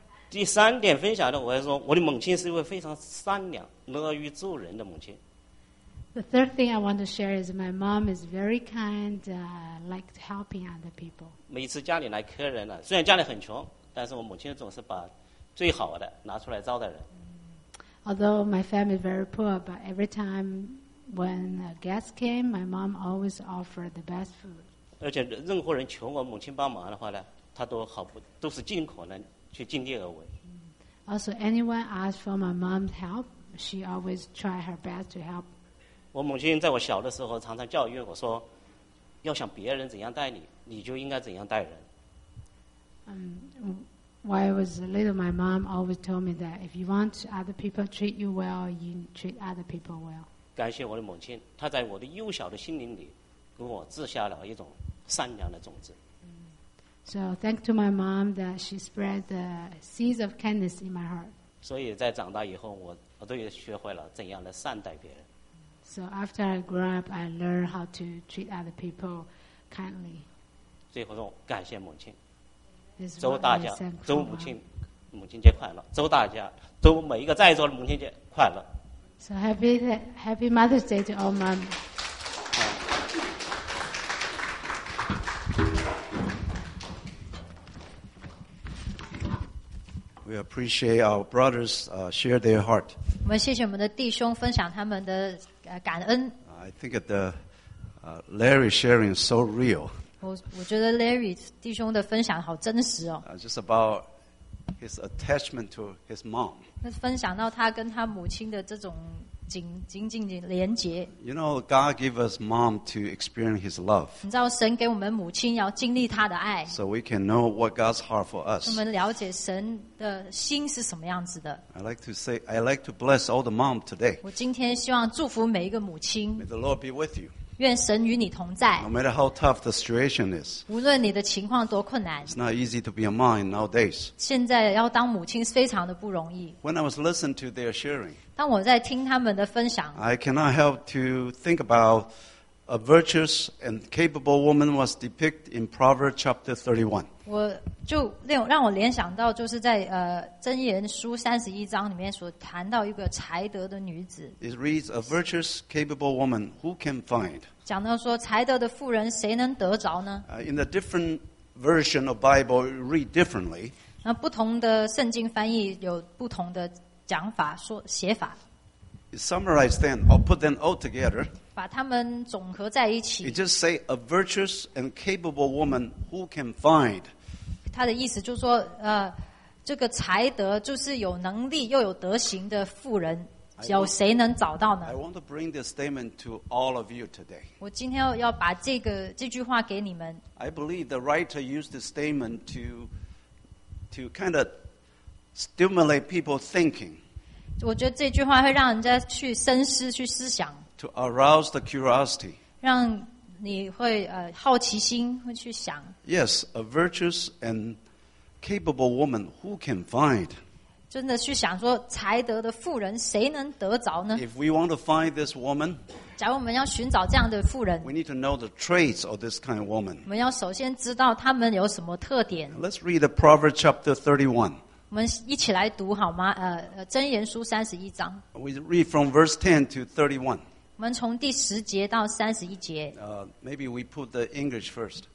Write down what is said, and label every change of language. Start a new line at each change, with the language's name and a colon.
Chinese: 第三点分享的，我还说我的母亲是一位非常善良、乐于助人的母亲。
English: The third thing I want to share is my mom is very kind, liked helping other people.
Chinese: 每次家里来客人了，虽然家里很穷，但是我母亲总是把最好的拿出来招待人。
English: Although my family is very poor, but every time when a guest came, my mom always offered the best food.
Chinese: 而且任何人求我母亲帮忙的话呢，她都好不都是尽可能去尽力而为。
English: Also, anyone asked for my mom's help, she always tried her best to help.
Chinese: 我母亲在我小的时候常常教育我说，要想别人怎样待你，你就应该怎样待人。
English: While I was little, my mom always told me that if you want other people to treat you well, you treat other people well.
Chinese: 感谢我的母亲，她在我的幼小的心灵里给我植下了一种善良的种子。
English: So thank to my mom that she spread the seeds of kindness in my heart.
Chinese: 所以在长大以后，我都学会了怎样的善待别人。
English: So after I grew up, I learned how to treat other people kindly.
Chinese: 最后说，感谢母亲。祝大家祝母亲母亲节快乐，祝大家祝每一个在座的母亲节快乐。
English: So happy Mother's Day to all mom. We appreciate our brothers share their heart.
Chinese: 我们谢谢我们的弟兄分享他们的感恩。
English: I think the Larry sharing is so real.
Chinese: 我觉得 Larry 弟兄的分享好真实哦。
English: Just about his attachment to his mom.
Chinese: 那分享到他跟他母亲的这种紧紧连结。
English: You know, God gave us mom to experience His love.
Chinese: 你知道神给我们母亲要经历他的爱。
English: So we can know what God's heart for us.
Chinese: 我们了解神的心是什么样子的。
English: I like to bless all the mom today.
Chinese: 我今天希望祝福每一个母亲。
English: May the Lord be with you.
Chinese: 愿神与你同在。
English: No matter how tough the situation is,
Chinese: 无论你的情况多困难。
English: It's not easy to be a mom nowadays.
Chinese: 现在要当母亲非常的不容易。
English: When I was listening to their sharing,
Chinese: 当我在听他们的分享。
English: I cannot help to think about a virtuous and capable woman was depicted in Proverbs chapter 31.
Chinese: 我就让我联想到就是在箴言书31章里面所谈到一个才德的女子。
English: It reads, a virtuous, capable woman, who can find?
Chinese: 讲到说才德的妇人谁能得着呢？
English: In the different version of Bible, read differently.
Chinese: 那不同的圣经翻译有不同的讲法说写法。
English: It summarizes them or put them all together.
Chinese: 把他们总合在一起。
English: It just say a virtuous and capable woman who can find.
Chinese: 他的意思就是说，这个才德就是有能力又有德行的妇人，有谁能找到呢
English: ？I want to bring this statement to all of you today.
Chinese: 我今天要把这句话给你们。
English: I believe the writer used this statement to kind of stimulate people thinking.
Chinese: 我觉得这句话会让人家去深思去思想
English: to arouse the curiosity
Chinese: 让你会好奇心会去想
English: yes a virtuous and capable woman who can find
Chinese: 真的去想说才德的妇人谁能得着呢
English: if we want to find this woman
Chinese: 假如我们要寻找这样的妇人
English: we need to know the traits of this kind of woman
Chinese: 我们要首先知道她们有什么特点
English: let's read the Proverbs chapter 31
Chinese: 我们一起来读好吗？箴言书三十一章。
English: We read from verse 10 to 31.
Chinese: 我们从第十节到三十一节。
English: Maybe we put the English first.